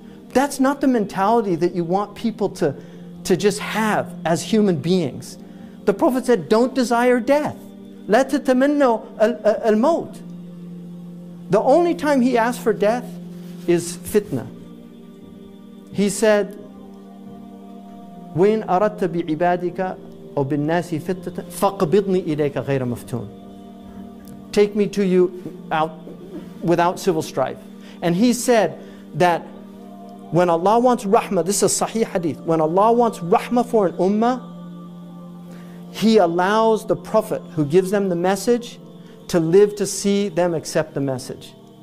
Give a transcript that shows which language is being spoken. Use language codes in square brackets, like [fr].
[en] That's not the mentality that you want people to just have as human beings. The Prophet said, don't desire death. [ar] لَا تَتَمَنَّوا الْمَوْتِ. [en] The only time he asked for death is fitna. He said, [ar] وَإِنْ أَرَدْتَ بِعِبَادِكَ أَوْ بِالنَّاسِ فِتْنَةً فَقْبِضْنِي إِلَيْكَ غَيْرَ مَفْتُونَ. [en] Take me to you out without civil strife. And he said that when Allah wants rahmah, this is Sahih Hadith, when Allah wants rahmah for an ummah, he allows the Prophet who gives them the message to live to see them accept the message.